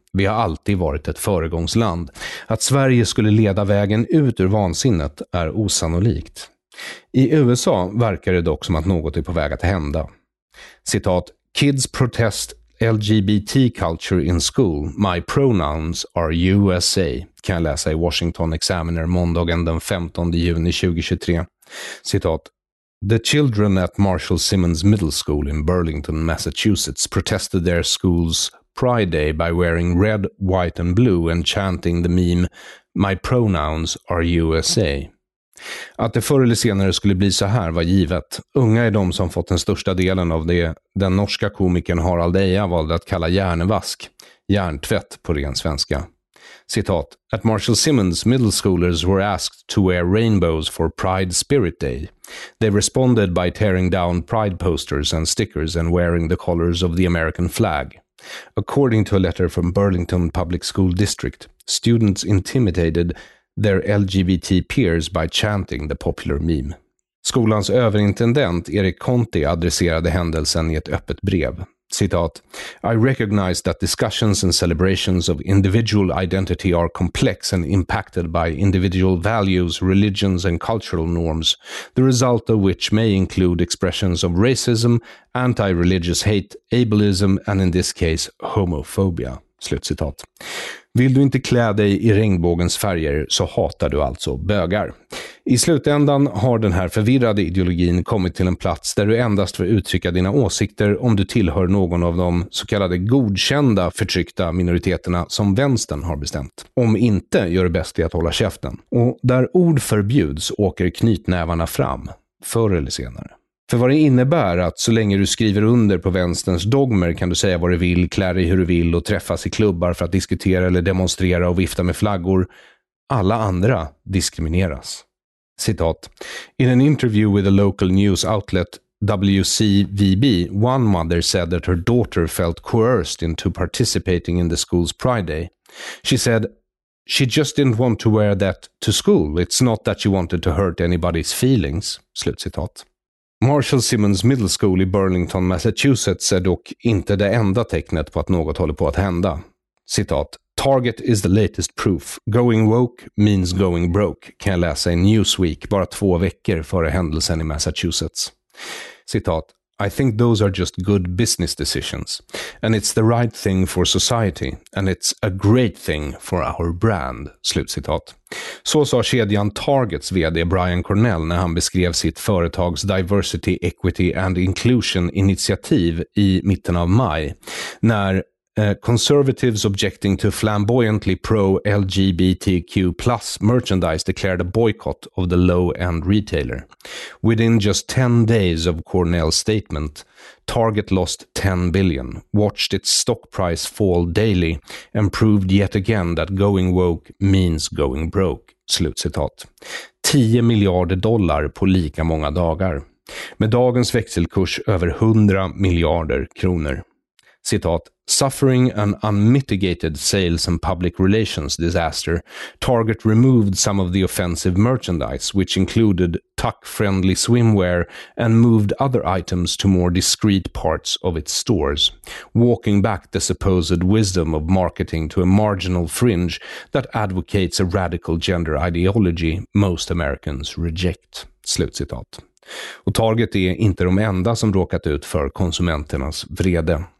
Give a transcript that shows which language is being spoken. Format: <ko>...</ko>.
<sv>Vi har alltid varit ett föregångsland. Att Sverige skulle leda vägen ut ur vansinnet är osannolikt. I USA verkar det dock som att något är på väg att hända. Citat,</sv> <en>kids protest LGBT culture in school. My pronouns are USA,</en> <sv>kan jag läsa i Washington Examiner måndagen den 15 juni 2023.</sv> <en>Citat, the children at Marshall Simmons Middle School in Burlington, Massachusetts protested their school's Pride Day by wearing red, white and blue and chanting the meme My pronouns are USA.</en> <sv>Att det förr eller senare skulle bli så här var givet. Unga är de som fått den största delen av det den norska komikern Harald Eja valde att kalla hjärnevask, hjärntvätt på ren svenska.</sv> <en>Citat, at Marshall Simmons, middle schoolers were asked to wear rainbows for Pride Spirit Day. They responded by tearing down Pride posters and stickers and wearing the colors of the American flag. According to a letter from Burlington Public School District, students intimidated their LGBT peers by chanting the popular meme.</en> <sv>Skolans överintendent Erik Conti adresserade händelsen i ett öppet brev.</sv> <en>Citat, I recognize that discussions and celebrations of individual identity are complex and impacted by individual values, religions and cultural norms, the result of which may include expressions of racism, anti-religious hate, ableism and in this case homophobia.</en> <sv>Slut citat. Vill du inte klä dig i regnbågens färger så hatar du alltså bögar. I slutändan har den här förvirrade ideologin kommit till en plats där du endast får uttrycka dina åsikter om du tillhör någon av de så kallade godkända förtryckta minoriteterna som vänstern har bestämt. Om inte, gör det bäst i att hålla käften. Och där ord förbjuds åker knytnävarna fram, förr eller senare. För vad det innebär att så länge du skriver under på vänsterns dogmer kan du säga vad du vill, klä dig hur du vill och träffas i klubbar för att diskutera eller demonstrera och vifta med flaggor. Alla andra diskrimineras.</sv> <en>Citat, in an interview with a local news outlet WCVB, one mother said that her daughter felt coerced into participating in the school's Pride Day. She said, she just didn't want to wear that to school. It's not that she wanted to hurt anybody's feelings.</en> <sv>Slut citat. Marshall Simmons Middle School i Burlington, Massachusetts är dock inte det enda tecknet på att något håller på att hända. Citat,</sv> <en>Target is the latest proof. Going woke means going broke,</en> <sv>kan jag läsa i Newsweek bara 2 veckor före händelsen i Massachusetts.</sv> <en>Citat, I think those are just good business decisions. And it's the right thing for society. And it's a great thing for our brand.</en> <sv>Slut citat. Så sa kedjan Targets vd Brian Cornell när han beskrev sitt företags Diversity, Equity and Inclusion-initiativ i mitten av maj.</sv> <en>När conservatives objecting to flamboyantly pro-LGBTQ plus merchandise declared a boycott of the low-end retailer. Within just 10 days of Cornell's statement, Target lost $10 billion, watched its stock price fall daily, and proved yet again that going woke means going broke.</en> <sv>Slut citat. 10 miljarder dollar på lika många dagar. Med dagens växelkurs över 100 miljarder kronor.</sv> <en>Citat, suffering an unmitigated sales and public relations disaster, Target removed some of the offensive merchandise, which included tuck-friendly swimwear, and moved other items to more discreet parts of its stores, walking back the supposed wisdom of marketing to a marginal fringe that advocates a radical gender ideology most Americans reject.</en> <sv>Slut citat. Och Target är inte de enda som råkat ut för konsumenternas vrede.</sv>